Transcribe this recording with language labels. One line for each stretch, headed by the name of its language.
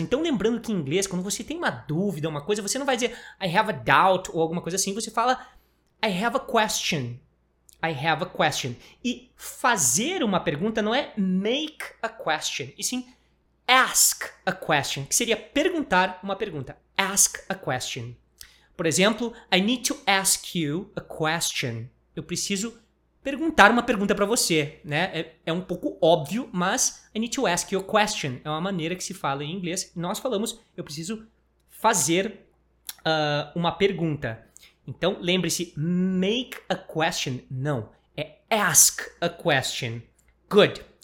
Portuguese: Então, lembrando que em inglês, quando você tem uma dúvida, uma coisa, você não vai dizer
English: I have a doubt
Portuguese: ou alguma coisa assim, você fala
English: I have a question.
Portuguese: I have a question. E fazer uma pergunta não é
English: make a question,
Portuguese: e sim
English: ask a question,
Portuguese: que seria perguntar uma pergunta.
English: Ask a question.
Portuguese: Por exemplo,
English: I need to ask you a question.
Portuguese: Eu preciso perguntar uma pergunta para você, né? É um pouco óbvio, mas
English: I need to ask you a question.
Portuguese: É uma maneira que se fala em inglês. Nós falamos, eu preciso fazer uma pergunta. Então, lembre-se,
English: make a question,
Portuguese: não, é
English: ask a question.
Portuguese: Good.